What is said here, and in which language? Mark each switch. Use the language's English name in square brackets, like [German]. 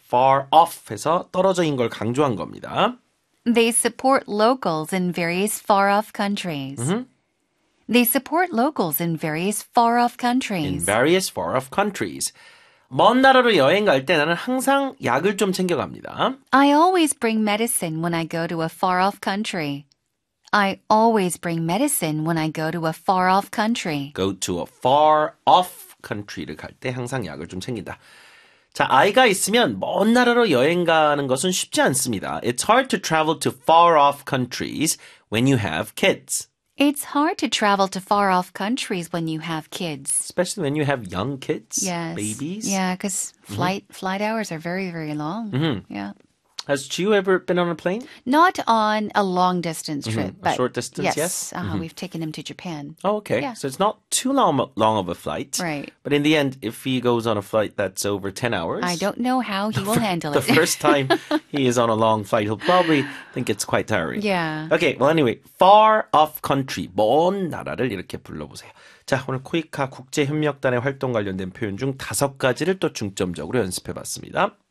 [English] Far off [Korean] 해서 떨어져인 걸 강조한 겁니다. [English] They support locals in various far-off countries. Mm-hmm. They support locals in various far-off countries. In various far-off countries. [Korean] 먼 나라로 여행 갈 때 나는 항상 약을 좀 챙겨 갑니다. [English] I always bring medicine when I go to a far-off country. I always bring medicine when I go to a far-off country. Go to a far-off country [Korean] 를 갈 때 항상 약을 좀 챙긴다. 자, 아이가 있으면 먼 나라로 여행 가는 것은 쉽지 않습니다. [English] It's hard to travel to far-off countries when you have kids. It's hard to travel to far-off countries when you have kids. Especially when you have young kids, yes. Babies. Yeah, because flight hours are very, very long. Mm-hmm. Yeah. Has Chiu ever been on a plane? Not on a long distance trip. Mm-hmm. But a short distance, yes. Mm-hmm. We've taken him to Japan. Oh, okay. Yeah. So it's not too long of a flight. Right. But in the end, if he goes on a flight that's over 10 hours... I don't know how he will handle it. The first time he is on a long flight, he'll probably think it's quite tiring. Yeah. Okay, well anyway, far off country, [Korean] 먼 나라를 이렇게 불러보세요. 자, 오늘 코이카 국제협력단의 활동 관련된 표현 중 다섯 가지를 또 중점적으로 연습해봤습니다.